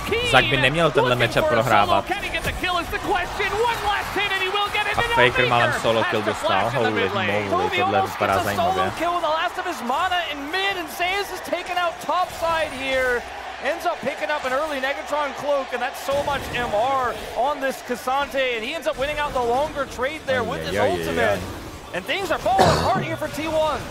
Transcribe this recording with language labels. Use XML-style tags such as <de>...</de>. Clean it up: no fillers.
<cs>Zac by neměl tenhle matchup prohrávat.</cs> <en>Can he get the kill is the question. One last hit and he will get it.</en> <cs>A Faker malem solo kill dostal.</cs> <en>Holy moly,</en> <cs>tohle vypadá zajímavě.</cs> <en>Solo kill with the last of his mana in mid, and Zeus is taken out topside here. Ends up picking up an early Negatron cloak, and that's so much MR on this Cassante, and he ends up winning out the longer trade there with his ultimate. And things are falling apart here for T1.</en>